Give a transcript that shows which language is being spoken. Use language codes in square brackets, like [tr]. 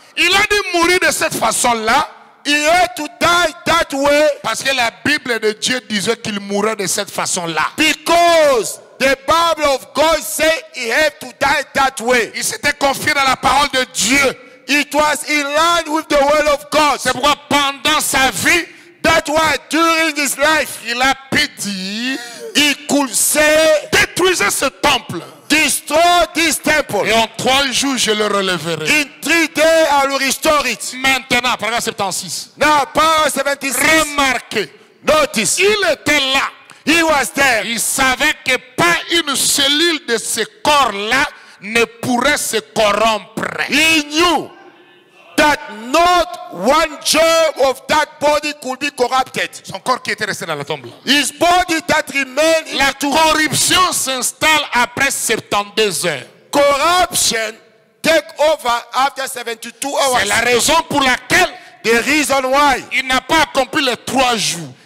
[fr] Il a dû mourir de cette façon-là. [en] He had to die that way. [fr] Parce que la Bible de Dieu disait qu'il mourait de cette façon-là. [en] Because the Bible of God said he had to die that way. [fr] Il s'était confié dans la parole de Dieu. [en] It was in line with the word of God. [fr] C'est pourquoi pendant sa vie, [en] that way during his life, [fr] il a pitié. [en] He could say, [fr] détruisez ce temple. [en] Destroy this temple. [fr] Et en trois jours, je le relèverai. [en] In 3 days, I will restore it. [fr] Maintenant, paragraphe 76. [en] Now, paragraphe 76. [fr] Remarquez. [en] Notice. [fr] Il était là. [en] He was there. [fr] Il savait que pas une cellule de ce corps-là ne pourrait se corrompre. [en] He knew that not one joint of that body could be corrupted. [fr] Son corps qui était resté dans la tombe. [en] His body that remained. [fr] La corruption s'installe après 72 heures. [en] Corruption take over after 72 hours. [fr] C'est la raison pour laquelle. [en] The reason why. [fr] Il n'a pas accompli les 3 jours.